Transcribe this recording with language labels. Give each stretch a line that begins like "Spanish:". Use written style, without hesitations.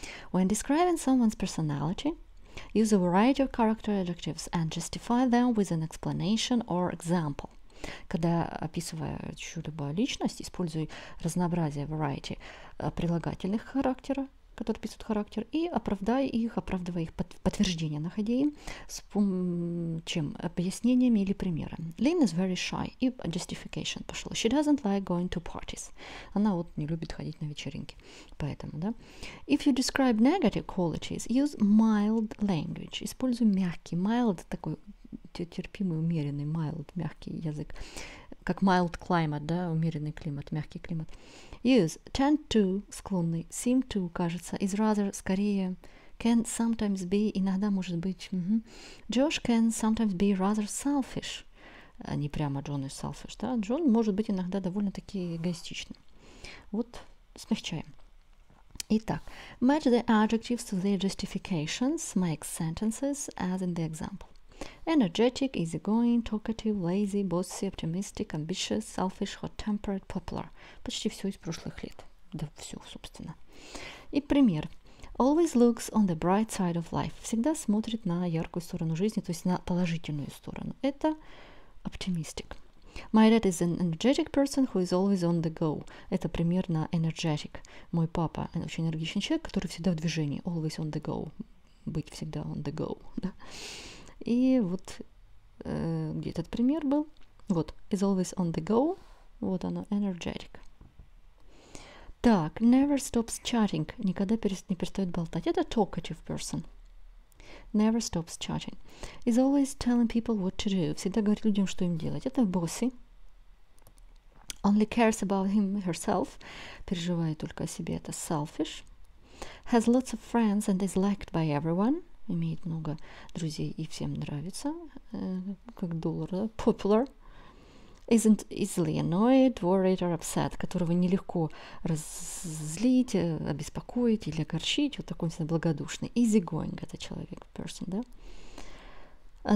English: When describing someone's personality, use a variety of character adjectives and justify them with an explanation or example.
Russian: Когда описываешь чью-либо личность, используй разнообразие, variety прилагательных характера, которые описывают характер, и оправдывай их подтверждение, находи им с чем? Объяснениями или примером.
English: Lynn is very shy.
Russian: И justification пошло.
English: She doesn't like going to parties.
Russian: Она вот не любит ходить на вечеринки. Поэтому, да.
English: If you describe negative qualities, use mild language.
Russian: Используй мягкий, mild, такой терпимый, умеренный, mild, мягкий язык. Как mild climate, да, умеренный климат, мягкий климат.
English: Use tend to,
Russian: склонный,
English: seem to,
Russian: кажется,
English: is rather,
Russian: скорее,
English: can sometimes be,
Russian: иногда может быть. Mm-hmm.
English: Josh can sometimes be rather selfish.
Russian: Не прямо Джон
English: is selfish, да.
Russian: Джон может быть иногда довольно-таки эгоистичным. Вот, смягчаем.
English: Итак, match the adjectives to their justifications, make sentences as in the example. Energetic, easygoing, talkative, lazy, bossy, optimistic, ambitious, selfish, hot-tempered, popular.
Russian: Почти все из прошлых лет. Да все, собственно. И пример.
English: Always looks on the bright side of life.
Russian: Всегда смотрит на яркую сторону жизни, то есть на положительную сторону. Это optimistic.
English: My dad is an energetic person who is always on the go.
Russian: Это пример на energetic. Мой папа очень энергичный человек, который всегда в движении.
English: Always on the go.
Russian: Быть всегда
English: on the go.
Russian: И вот где этот пример был?
English: Вот, is always on the go.
Russian: Вот оно,
English: energetic. Так, never stops chatting.
Russian: Никогда не перестает болтать.
English: Это talkative person. Never stops chatting. Is always telling people what to do.
Russian: Всегда говорит людям, что им делать. Это
English: bossy. Only cares about him herself.
Russian: Переживает только о себе. Это selfish.
English: Has lots of friends and is liked by everyone.
Russian: Имеет много друзей и всем нравится, как доллар, да?
English: Popular. Isn't easily annoyed, worried or upset,
Russian: которого нелегко разозлить, обеспокоить или огорчить. Вот такой всегда благодушный. Easygoing – это человек, person, да?